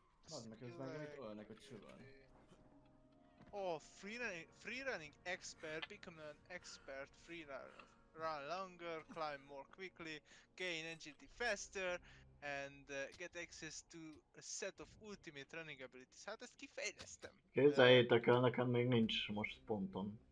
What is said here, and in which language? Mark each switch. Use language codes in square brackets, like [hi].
[hu] Hadd meg közben, hogy mit ölnek a csövön. [en] Oh, free running expert, become an expert free runner. Run longer, climb more quickly, gain agility faster, and get access to a set of ultimate running abilities. [hu] Hát ezt kifejlesztem. Képzeljétek el, nekem még nincs most ponton.